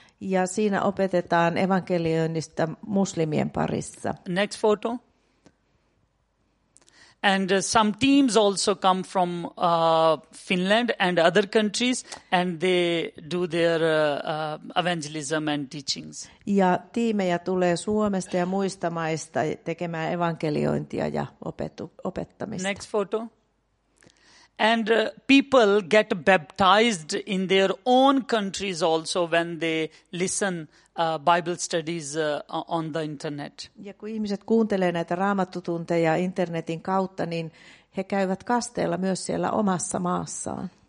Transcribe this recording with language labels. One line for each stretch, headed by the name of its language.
Finnish: Ja siinä opetetaan evankelioinnista muslimien parissa.
English: Next photo. And some teams also come from Finland and other countries, and they do their evangelism and teachings.
Finnish: Ja tiimejä tulee Suomesta ja muista maista tekemään evankeliointia ja opettamista.
English: Next photo. And people get baptized in their own countries also when they listen Bible studies on the internet.
Finnish: Ja kun ihmiset kuuntelee näitä raamattutunteja internetin kautta, niin he käyvät kasteella myös siellä omassa maassaan.